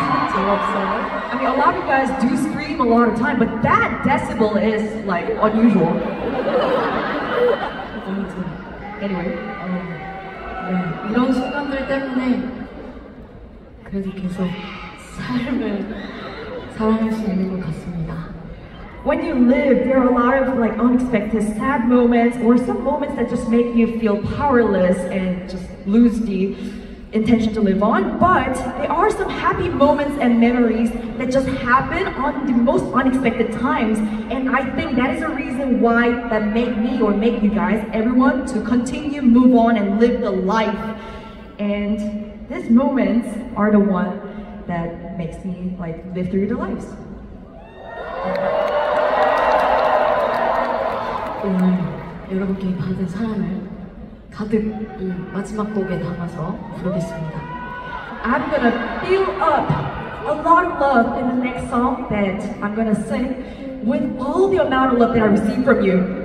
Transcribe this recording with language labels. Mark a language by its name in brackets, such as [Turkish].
[English] I mean, a lot of you guys do scream a lot of time, but that decibel is like unusual. [Korean] Anyway, 네, 이런 순간들 때문에 그래도 계속 삶을 사랑할 수 있는 것 같습니다. [English] When you live, there are a lot of like unexpected sad moments or some moments that just make you feel powerless and just lose the intention to live on, but there are some happy moments and memories that just happen on the most unexpected times, and I think that is a reason why that made me or make you guys, everyone, to continue, move on, and live the life. And these moments are the one that makes me like live through the lives. [Korean] 오늘 여러분께 받은 사랑을 가득 이 마지막 곡에 담아서 부르겠습니다. [English] I'm gonna fill up a lot of love in the next song that I'm gonna sing with all the amount of love that I receive from you.